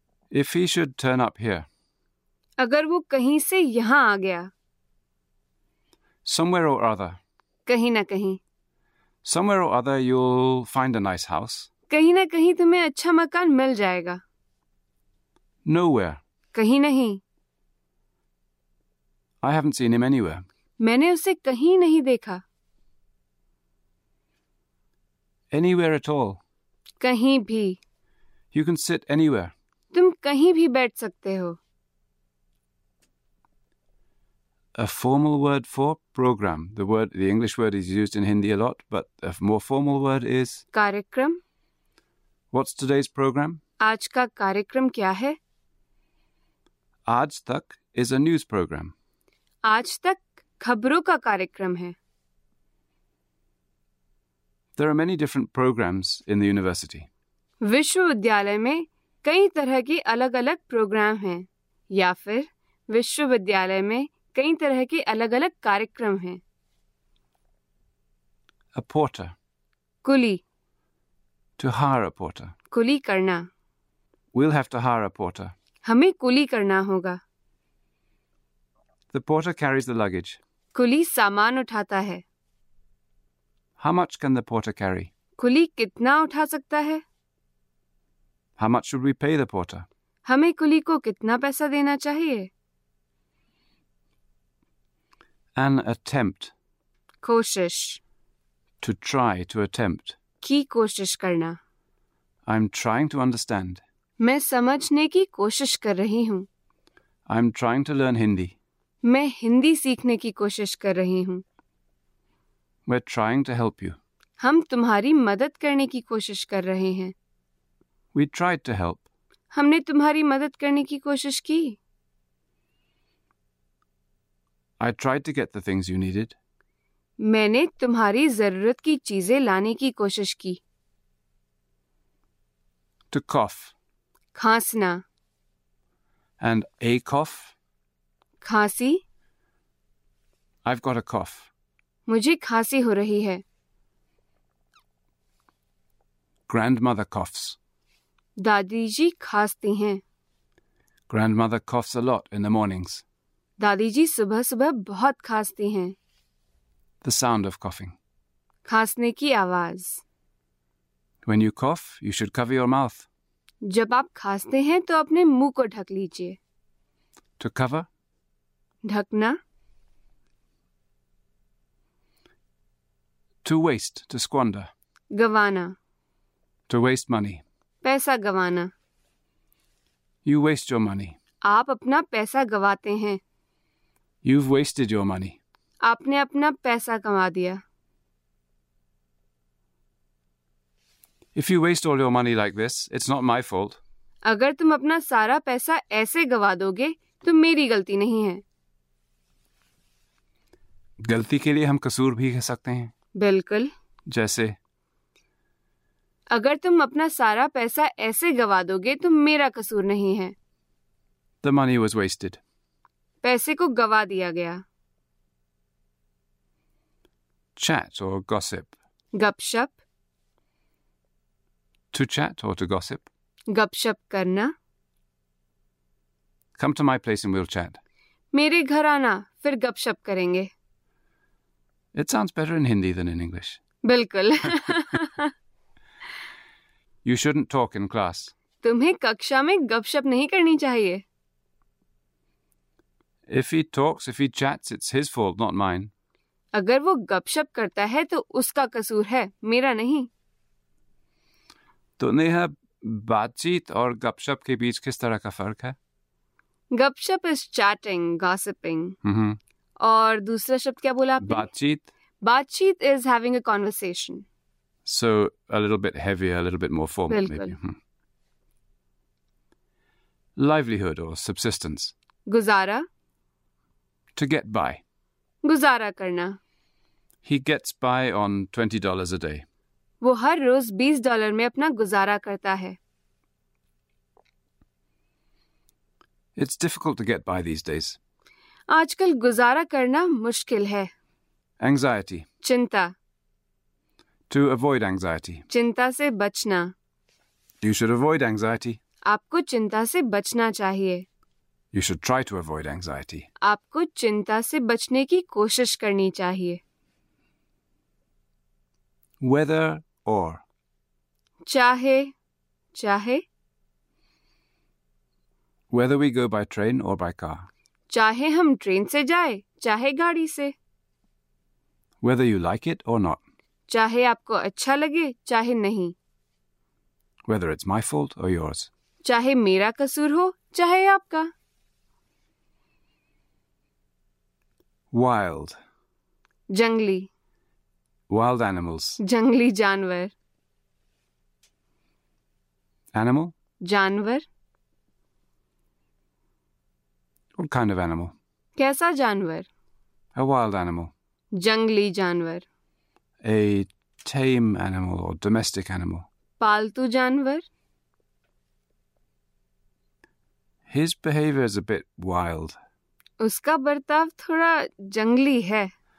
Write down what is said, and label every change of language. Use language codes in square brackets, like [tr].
[en] If he should turn up here. [hi] अगर वो कहीं से यहां आ गया। [en] Somewhere or other. [hi] कहीं ना कहीं। [en] Somewhere or other you'll find a nice house. [hi] कहीं ना कहीं तुम्हें अच्छा मकान मिल जाएगा। [en] Nowhere. [hi] कहीं नहीं। [en] I haven't seen him anywhere. [hi] मैंने उसे कहीं नहीं देखा। [en] Anywhere at all. [hi] कहीं भी। [en] You can sit anywhere. [hi] तुम कहीं भी बैठ सकते हो। [en] A formal word for program. The English word is used in Hindi a lot, but a more formal word is... [hi] कार्यक्रम। [en] What's today's program? [hi] आज का कार्यक्रम क्या है? [en] Aaj Tak is a news program. [hi] आज तक खबरों का कार्यक्रम है। [en] There are many different programs in the university. [hi] विश्वविद्यालय में कई तरह के अलग अलग प्रोग्राम हैं, या फिर विश्वविद्यालय में कई तरह के अलग अलग कार्यक्रम हैं। [en] A porter. [hi] Quli. [en] To hire a porter. [hi] कुली करना। [en] We'll have to hire a porter. [hi] हमें कुली करना होगा। [en] The porter carries the luggage. [hi] कुली सामान उठाता है। [en] How much can the porter carry? [hi] कुली कितना उठा सकता है? [en] How much should we pay the porter? [hi] हमें कुली को कितना पैसा देना चाहिए? [en] An attempt. [hi] कोशिश। [en] To try, to attempt. [hi] की कोशिश करना। [en] I'm trying to understand. [hi] मैं समझने की कोशिश कर रही हूँ। [en] I'm trying to learn Hindi. [hi] मैं हिंदी सीखने की कोशिश कर रही हूँ। [en] We're trying to help you. [hi] हम तुम्हारी मदद करने की कोशिश कर रहे हैं। [en] We tried to help. [hi] हमने तुम्हारी मदद करने की कोशिश की। [en] I tried to get the things you needed. [hi] मैंने तुम्हारी जरूरत की चीजें लाने की कोशिश की। [en] To cough. [hi] खांसना। [en] And a cough. [hi] खांसी। [en] I've got a cough. [hi] मुझे खांसी हो रही है। [en] Grandmother coughs. [hi] दादी जी खांसती हैं। [en] Grandmother coughs a lot in the mornings. [hi] दादी जी सुबह सुबह बहुत खांसती हैं। [en] The sound of coughing. [hi] खांसने की आवाज। [en] When you cough, you should cover your mouth. [hi] जब आप खांसते हैं तो अपने मुंह को ढक लीजिए। [en] To cover. [hi] ढकना। [en] To waste, to squander. [hi] गवाना। [en] To waste money. [hi] पैसा गवाना। [en] You waste your money. [hi] आप अपना पैसा गवाते हैं। [en] You've wasted your money. [hi] आपने अपना पैसा गवा दिया। [en] If you waste all your money like this, it's not my fault. [hi] अगर तुम अपना सारा पैसा ऐसे गवा दोगे, तो मेरी गलती नहीं है। गलती के लिए हम कसूर भी कह सकते हैं। बिल्कुल। जैसे अगर तुम अपना सारा पैसा ऐसे गवा दोगे तो मेरा कसूर नहीं है। [en] The money was wasted. [hi] पैसे को गवा दिया गया। [en] Chat or gossip. [hi] गपशप। [en] To chat or to gossip. [hi] गपशप करना। [en] Come to my place and we'll chat. [hi] मेरे घर आना, फिर गपशप करेंगे। [en] It sounds better in Hindi than in English. [hi] बिल्कुल। [en] You shouldn't talk in class. [hi] तुम्हें कक्षा में गपशप नहीं करनी चाहिए। [en] If he talks, if he chats, it's his fault, not mine. [hi] अगर वो गपशप करता है तो उसका कसूर है, मेरा नहीं। तो नेहा, बातचीत और गपशप के बीच किस तरह का फर्क है? गपशप [en] Is chatting, gossiping. [hi] और दूसरा शब्द क्या बोला आपने? बातचीत। [en] बातचीत is having a conversation. So, a little bit heavier, a little bit more formal, [hi] बिल्कुल। [en] maybe. Livelihood or subsistence. [hi] गुजारा। [en] To get by. [hi] गुजारा करना। [en] He gets by on $20 a day. [hi] वो हर रोज $20 में अपना गुजारा करता है। [en] It's difficult to get by these days. [hi] आजकल गुजारा करना मुश्किल है। [en] Anxiety. [hi] चिंता। [en] To avoid anxiety. [hi] चिंता से बचना। [en] You should avoid anxiety. [hi] आपको चिंता से बचना चाहिए। [en] You should try to avoid anxiety. [hi] आपको चिंता से बचने की कोशिश करनी चाहिए। [en] Whether or. [hi] चाहे, चाहे। [en] Whether we go by train or by car. [hi] चाहे हम ट्रेन से जाए, चाहे गाड़ी से। [en] Whether you like it or not. [hi] चाहे आपको अच्छा लगे, चाहे नहीं। [en] Whether it's my fault or yours. [hi] चाहे मेरा कसूर हो, चाहे आपका। [en] Wild. [hi] जंगली। [en] Wild animals. [hi] जंगली जानवर। [en] Animal. [hi] जानवर। [en] What kind of animal? [hi] कैसा जानवर? [en] A wild animal. [hi] जंगली जानवर। [en] A tame animal or domestic animal. [hi] पालतू जानवर। [en] His behavior is a bit wild. [hi] उसका बर्ताव थोड़ा जंगली है।